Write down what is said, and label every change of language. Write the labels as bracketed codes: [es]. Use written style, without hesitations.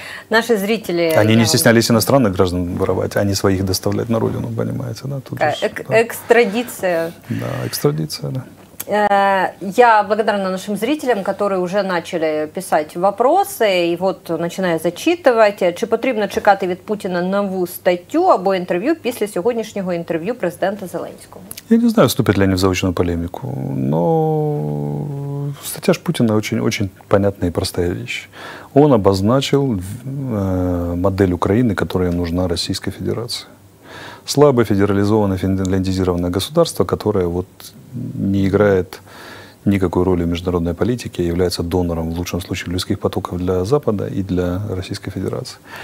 [ru] Наши зрители... Они не стеснялись иностранных граждан воровать, а не своих доставлять на родину, понимаете? Да? Тут экстрадиция. Да, экстрадиция, да. Я благодарна нашим зрителям, которые уже начали писать вопросы, и вот начинаю зачитывать. [uk] Чи потрібно чекати від Путіна нову статтю або інтерв'ю після сьогоднішнього інтерв'ю президента Зеленського? [ru] Я не знаю, вступят ли они в заочную полемику, но статья ж Путіна очень-очень понятная и простая вещь. Он обозначил модель Украины, которая нужна Российской Федерации. Слабое федерализованное, финляндизированное государство, которое вот не играет никакой роли в международной политике, является донором, в лучшем случае, людских потоков для Запада и для Российской Федерации.